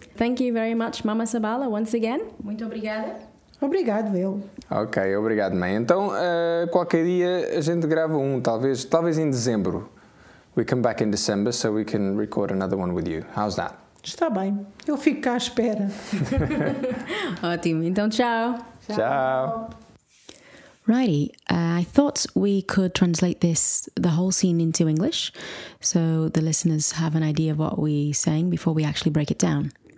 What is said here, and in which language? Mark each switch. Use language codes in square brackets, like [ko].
[en] Thank you very much, Mama Sabala, once again. [pt] Muito obrigada. Obrigado, Will. Ok, obrigado, mãe. Então, qualquer dia a gente grava um, talvez em dezembro. [en] We come back in December so we can record another one with you. How's that? [pt] Está bem. Eu fico cá à espera. Ótimo. Então, tchau. Tchau. [en] Righty. I thought we could translate this, the whole scene, into English so the listeners have an idea of what we're saying before we actually break it down.